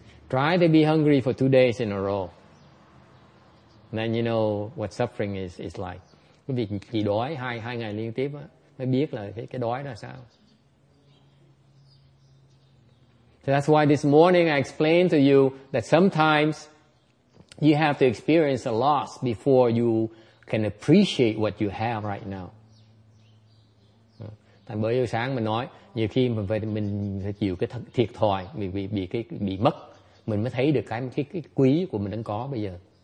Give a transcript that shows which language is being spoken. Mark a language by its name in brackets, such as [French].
[English] Try to be hungry for 2 days in a row. Then you know what suffering is like. [Vietnamese] Quý vị chỉ đói hai ngày liên tiếp á, mới biết là cái đói là sao. [English] So that's why this morning I explained to you that sometimes you have to experience a loss before you can appreciate what you have right now. [Vietnamese] Tại bữa sáng mình nói, nhiều khi mình chịu cái thiệt thòi, bị mất, mình mới thấy được cái quý của mình đang có bây giờ.